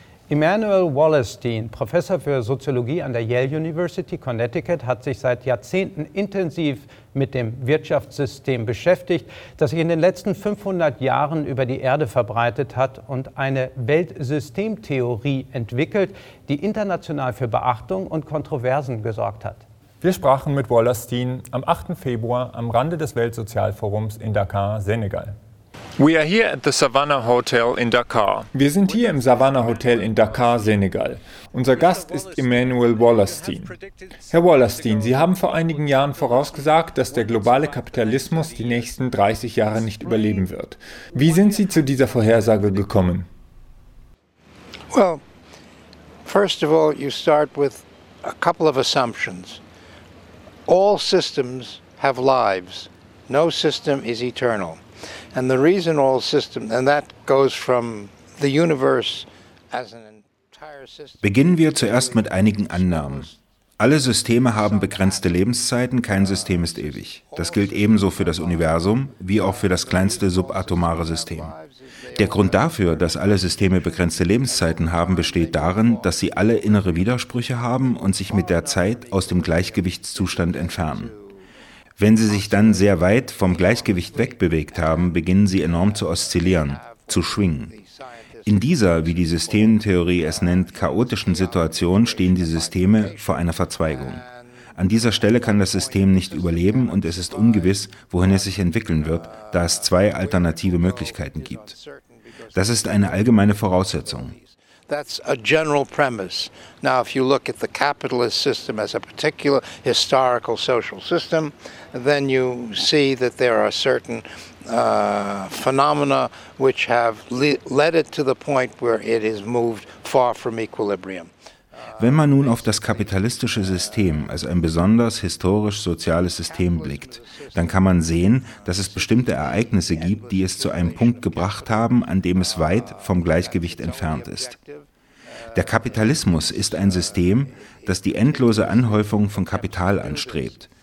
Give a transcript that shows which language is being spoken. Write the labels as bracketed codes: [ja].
[de] Immanuel Wallerstein, Professor für Soziologie an der Yale University, Connecticut, hat sich seit Jahrzehnten intensiv mit dem Wirtschaftssystem beschäftigt, das sich in den letzten 500 Jahren über die Erde verbreitet hat und eine Weltsystemtheorie entwickelt, die international für Beachtung und Kontroversen gesorgt hat. Wir sprachen mit Wallerstein am 8. Februar am Rande des Weltsozialforums in Dakar, Senegal. [en] We are here at the Savannah Hotel in Dakar. [de] Wir sind hier im Savannah Hotel in Dakar, Senegal. Unser Gast ist Immanuel Wallerstein. Herr Wallerstein, Sie haben vor einigen Jahren vorausgesagt, dass der globale Kapitalismus die nächsten 30 Jahre nicht überleben wird. Wie sind Sie zu dieser Vorhersage gekommen? [en] Well, first of all, you start with a couple of assumptions. All systems have lives. No system is eternal. And the reason all systems, and that goes from the universe as an entire system. [de] Beginnen wir zuerst mit einigen Annahmen. Alle Systeme haben begrenzte Lebenszeiten, kein System ist ewig. Das gilt ebenso für das Universum wie auch für das kleinste subatomare System. Der Grund dafür, dass alle Systeme begrenzte Lebenszeiten haben, besteht darin, dass sie alle innere Widersprüche haben und sich mit der Zeit aus dem Gleichgewichtszustand entfernen. Wenn sie sich dann sehr weit vom Gleichgewicht wegbewegt haben, beginnen sie enorm zu oszillieren, zu schwingen. In dieser, wie die Systemtheorie es nennt, chaotischen Situation stehen die Systeme vor einer Verzweigung. An dieser Stelle kann das System nicht überleben und es ist ungewiss, wohin es sich entwickeln wird, da es zwei alternative Möglichkeiten gibt. Das ist eine allgemeine Voraussetzung. [en] That's a general premise. Now, if you look at the capitalist system as a particular historical social system, then you see that there are certain phenomena which have led it to the point where it is moved far from equilibrium. [de] Wenn man nun auf das kapitalistische System als ein besonders historisch-soziales System blickt, dann kann man sehen, dass es bestimmte Ereignisse gibt, die es zu einem Punkt gebracht haben, an dem es weit vom Gleichgewicht entfernt ist. Der Kapitalismus ist ein System, das die endlose Anhäufung von Kapital anstrebt.